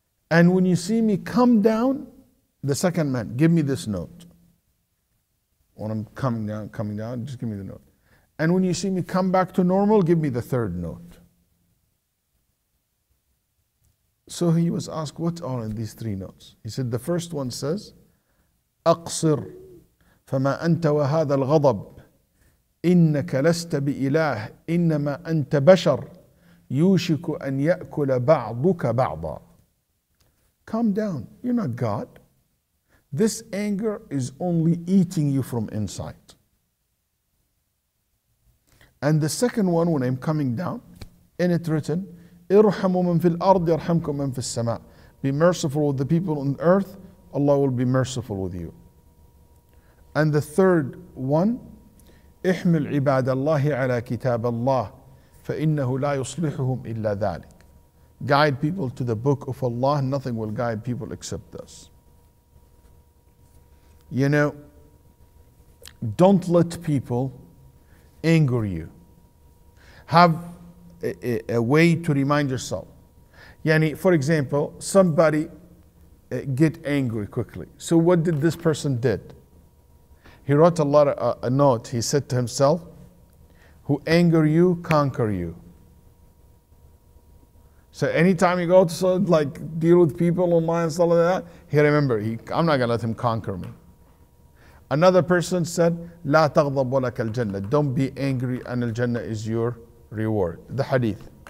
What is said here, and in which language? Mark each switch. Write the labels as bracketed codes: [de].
[en] And when you see me come down, the second man, give me this note. When I'm coming down, just give me the note. And when you see me come back to normal, give me the third note. So he was asked, what are in these 3 notes? He said, the first one says, [ar] أقصر فما أنت وهذا الغضب إنك لست بإله إنما أنت بشر يوشك أن يأكل بعضك بعضا. [en] Calm down, you're not God. This anger is only eating you from inside. And the second one, when I'm coming down, in it written, [ar] ارحموا من في الأرض يرحمكم من في السماء. [en] Be merciful with the people on earth, Allah will be merciful with you. And the third one, [ar] احمل عباد الله على كتاب الله فإنه لا يصلحهم إلا ذلك. [en] Guide people to the book of Allah, nothing will guide people except this. You know, don't let people anger you. Have a way to remind yourself. Yani, for example, somebody get angry quickly. So what did this person did? He wrote a note. He said to himself, who anger you, conquer you. So anytime you go to like deal with people online and stuff like that, he remember, I'm not going to let him conquer me. Another person said, [ar] لا تغضب ولك الجنة. [en] Don't be angry and al-jannah is your reward. The hadith.